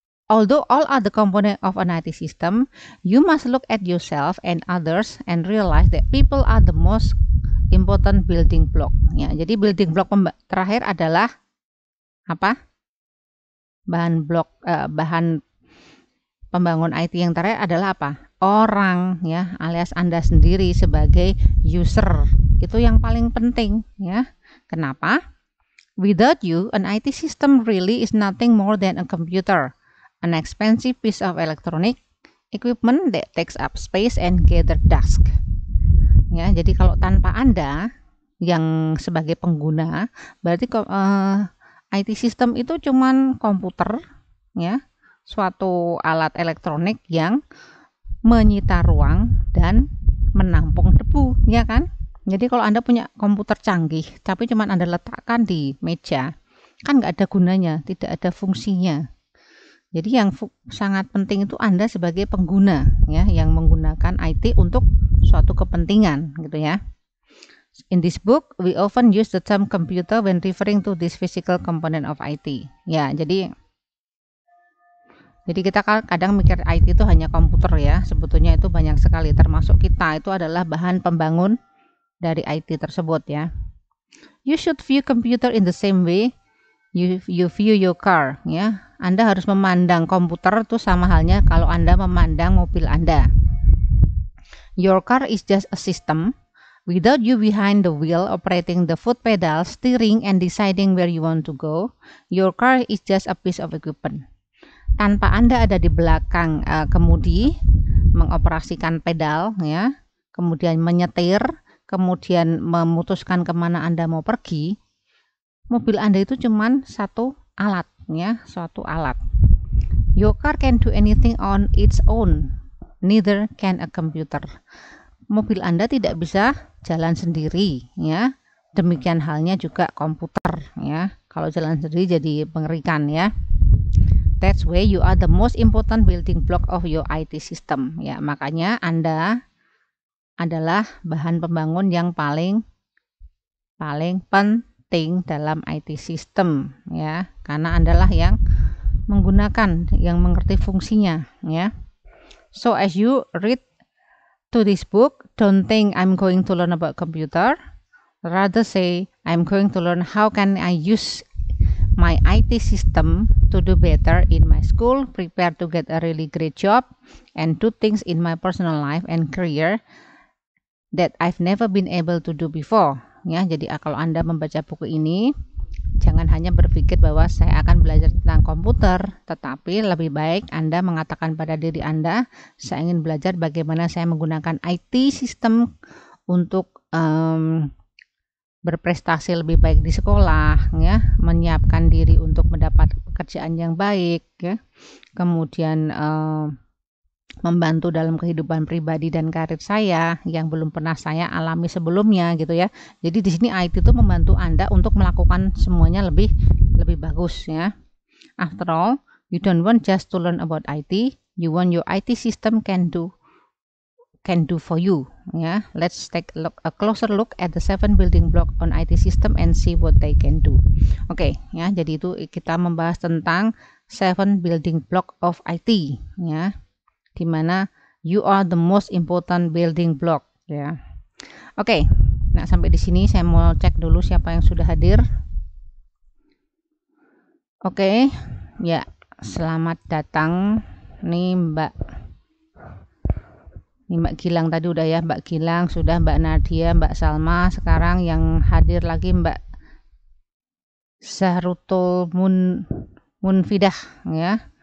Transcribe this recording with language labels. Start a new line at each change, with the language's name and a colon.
English: Although all are the component of an IT system, you must look at yourself and others and realize that people are the most important building block.
Indonesian: Ya, jadi building block terakhir adalah apa? Bahan pembangun IT yang terakhir adalah apa? Orang ya, alias Anda sendiri sebagai user. Itu yang paling penting ya. Kenapa?
English: Without you, an IT system really is nothing more than a computer, an expensive piece of electronic equipment that takes up space and gather dust.
Indonesian: Ya, jadi kalau tanpa Anda yang sebagai pengguna, berarti IT system itu cuman komputer ya, suatu alat elektronik yang menyita ruang dan menampung debu, ya kan? Jadi kalau Anda punya komputer canggih, tapi cuma Anda letakkan di meja, kan nggak ada gunanya, tidak ada fungsinya. Jadi yang sangat penting itu Anda sebagai pengguna, ya, yang menggunakan IT untuk suatu kepentingan, gitu ya.
English: In this book, we often use the term computer when referring to this physical component of IT.
Indonesian: Ya, jadi kita kadang mikir IT itu hanya komputer ya. Sebetulnya itu banyak sekali, termasuk kita itu adalah bahan pembangun dari IT tersebut ya.
English: You should view computer in the same way you view your car, ya.
Indonesian: Anda harus memandang komputer itu sama halnya kalau Anda memandang mobil Anda.
English: Your car is just a system. Without you behind the wheel, operating the foot pedal, steering, and deciding where you want to go, your car is just a piece of equipment.
Indonesian: Tanpa Anda ada di belakang kemudi, mengoperasikan pedal, ya, kemudian menyetir, kemudian memutuskan kemana Anda mau pergi, mobil Anda itu cuma satu alat, ya, suatu alat.
English: Your car can do anything on its own, neither can a computer.
Indonesian: Mobil Anda tidak bisa jalan sendiri, ya. Demikian halnya juga komputer, ya. Kalau jalan sendiri jadi mengerikan, ya.
English: That's why you are the most important building block of your IT system, ya.
Indonesian: Makanya Anda adalah bahan pembangun yang paling penting dalam IT system, ya. Karena Anda lah yang menggunakan, yang mengerti fungsinya, ya.
English: So as you read to this book, don't think I'm going to learn about computer. Rather say, I'm going to learn how can I use my IT system to do better in my school, prepare to get a really great job, and do things in my personal life and career that I've never been able to do before.
Indonesian: Ya, jadi kalau Anda membaca buku ini, jangan hanya berpikir bahwa saya akan belajar tentang komputer, tetapi lebih baik Anda mengatakan pada diri Anda, saya ingin belajar bagaimana saya menggunakan IT system untuk berprestasi lebih baik di sekolah, ya, menyiapkan diri untuk mendapat pekerjaan yang baik, ya, kemudian membantu dalam kehidupan pribadi dan karir saya yang belum pernah saya alami sebelumnya gitu ya. Jadi di sini IT itu membantu Anda untuk melakukan semuanya lebih bagus ya.
English: After all, you don't want just to learn about IT, you want your IT system can do for you ya. Let's take a closer look at the 7 building block on IT system and see what they can do.
Indonesian: Oke, ya, jadi itu kita membahas tentang 7 building block of IT ya. Di mana
English: you are the most important building block
Indonesian: ya. Yeah. Oke. Okay. Nah, sampai di sini saya mau cek dulu siapa yang sudah hadir. Oke. Okay. Ya, yeah. Selamat datang nih Mbak. Ini Mbak Gilang tadi udah ya, Mbak Gilang sudah, Mbak Nadia, Mbak Salma, sekarang yang hadir lagi Mbak Zahrutul Munfidah ya. Yeah.